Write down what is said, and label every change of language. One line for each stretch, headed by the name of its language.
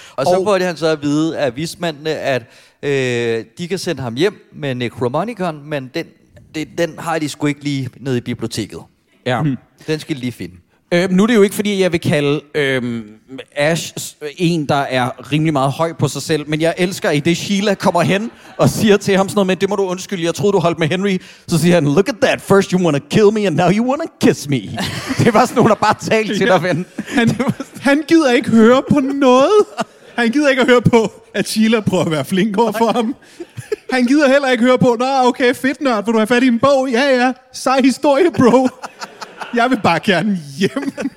Danish: Og så får han så at vide af vismændene, at de kan sende ham hjem med Necromonicon, men den har de sgu ikke lige nede i biblioteket. Ja. Den skal de lige finde. Nu er det jo ikke, fordi jeg vil kalde Ash en, der er rimelig meget høj på sig selv, men jeg elsker, i det Sheila kommer hen og siger til ham sådan noget med, det må du undskylde, jeg troede, du holdt med Henry. Så siger han,
English: look at that, first you wanna kill me, and now you wanna kiss me.
Danish: Det var sådan nogen, der bare talte til dig, ven. Han gider ikke høre på noget. Han gider ikke at høre på, at Sheila prøver at være flink over for ham. Han gider heller ikke høre på, nå, okay, fedt nørd, vil du have fat i en bog? Ja, ja, sej historie, bro. Jeg vil bare gerne hjem.